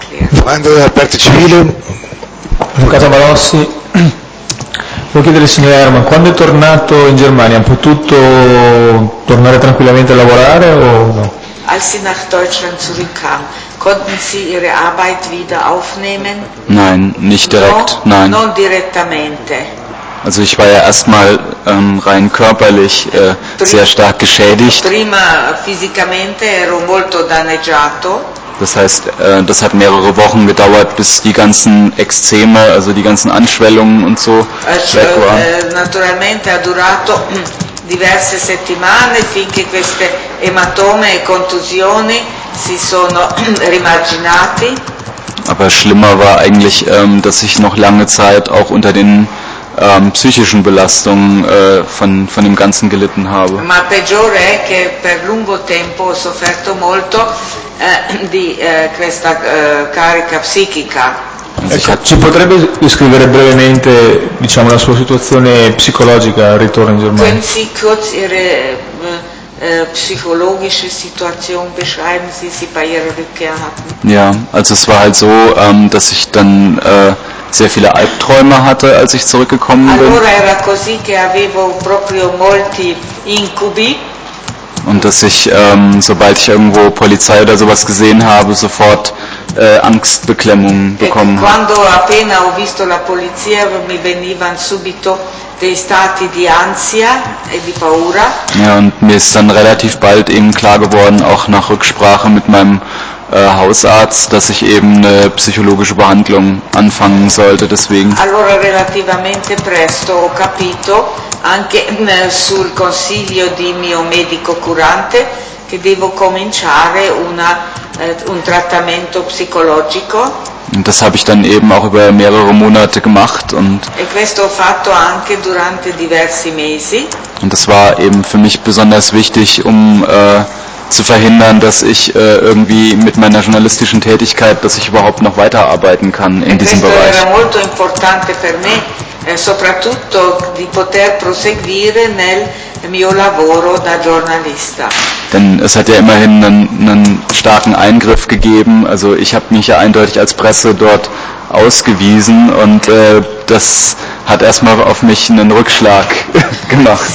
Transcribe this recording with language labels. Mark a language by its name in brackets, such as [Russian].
[Italian] Domanda della parte civile. Avvocato Malossi, voglio chiedere al signor Herman, quando è tornato in Germania, ha potuto tornare tranquillamente a lavorare o no? [German] Als sie nach Deutschland zurückkam, konnten sie ihre Arbeit wieder aufnehmen? Nein, nicht direkt, [Italian] no, [German] nein. [Italian] Non direttamente. [German] Also ich war ja erstmal rein körperlich sehr stark geschädigt. [Italian] Prima fisicamente ero molto danneggiato. [German] Das heißt, das hat mehrere Wochen gedauert, bis die ganzen Ekzeme, also die ganzen Anschwellungen und so weg waren. [Italian] Naturalmente ha durato diverse settimane finché queste ematome e contusioni si sono rimarginati. [German] Aber schlimmer war eigentlich, dass ich noch lange Zeit auch unter den psichischen Belastungen von dem Ganzen gelitten habe. [Italian] Ma peggiore è che per lungo tempo ho sofferto molto di questa carica psichica. Ci potrebbe descrivere brevemente, diciamo, la sua situazione psicologica al ritorno in Germania? [German] Können Sie kurz Ihre psychologische Situation beschreiben, die Sie bei Ihrer Rückkehr hatten? Ja, also es war halt so, dass ich dann sehr viele Albträume hatte, als ich zurückgekommen bin. [Italian] Allora era così che avevo proprio molti incubi. [German] Und dass ich, sobald ich irgendwo Polizei oder sowas gesehen habe, sofort Angstbeklemmungen bekommen habe. [Italian] Quando appena ho visto la polizia, mi venivano subito dei stati di ansia e di paura. [German] Ja, und mir ist dann relativ bald eben klar geworden, auch nach Rücksprache mit meinem Hausarzt, dass ich eben eine psychologische Behandlung anfangen sollte, deswegen. [Italian] Allora relativamente presto ho capito anche sul consiglio di mio medico curante che devo cominciare una un trattamento psicologico. [German] Und das habe ich dann eben auch über mehrere Monate gemacht und [Italian] e questo ho fatto anche durante diversi mesi. [German] Und das war eben für mich besonders wichtig, um zu verhindern, dass ich irgendwie mit meiner journalistischen Tätigkeit, dass ich überhaupt noch weiterarbeiten kann in diesem Bereich. [Italian] Era molto importante per me, soprattutto di poter proseguire nel mio lavoro da giornalista. [German] Denn es hat ja immerhin einen, einen starken Eingriff gegeben. Also ich habe mich ja eindeutig als Presse dort ausgewiesen und das hat erstmal auf mich einen Rückschlag gemacht.